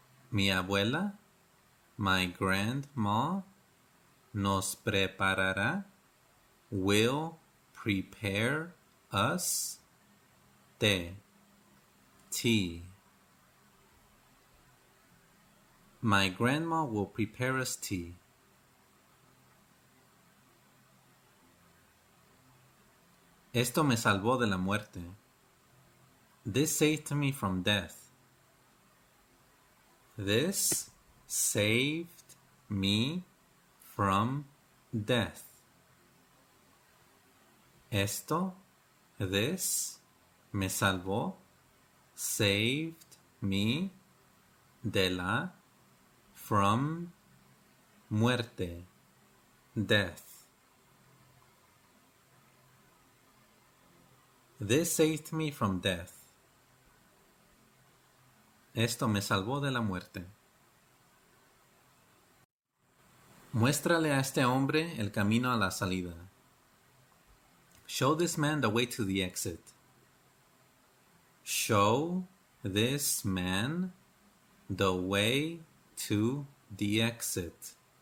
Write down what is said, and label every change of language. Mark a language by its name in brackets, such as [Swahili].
[Spanish] Mi abuela, [English] my grandma, [Spanish] nos preparará, [English] will prepare us tea. My grandma will prepare us tea. [Spanish] Esto me salvó de la muerte. [English] This saved me from death. This saved me from death. [Spanish] Esto, [English] this, [Spanish] me salvó, [English] saved me [Spanish] de la, [English] from, [Spanish] muerte, [English] death. This saved me from death. [Spanish] Esto me salvó de la muerte. Muéstrale a este hombre el camino a la salida. [English] Show this man the way to the exit. Show this man the way to the exit.